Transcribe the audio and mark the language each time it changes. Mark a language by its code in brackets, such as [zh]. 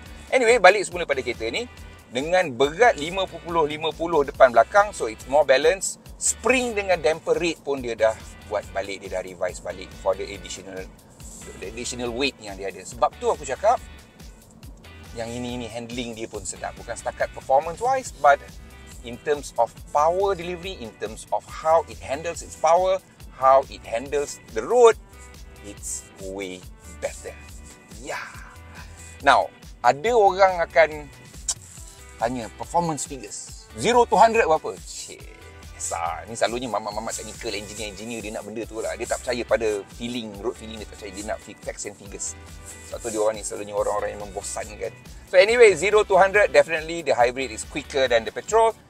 [ms] Anyway, balik semula pada kereta ni. Dengan berat 50-50 depan belakang, [en] so it's more balanced. [ms] Spring dengan damper rate pun dia dah buat balik, dia dah revise balik [en] for the additional weight [ms] yang dia ada. Sebab tu aku cakap, yang ini handling dia pun sedap. Bukan setakat [en] performance wise, but in terms of power delivery, in terms of how it handles its power, how it handles the road, it's way better. Yeah. Now, [ms] ada orang akan tanya performance figures. 0 to 100 berapa? Cik, besar. Ni selalunya mamat-mamat technical engineer dia nak benda tu lah. Dia tak percaya pada feeling, road feeling dia tak percaya. Dia nak [en] facts and figures. [ms] Sebab tu dia orang ni selalunya orang-orang yang membosankan. [en] So anyway, 0 to 100, definitely the hybrid is quicker than the petrol.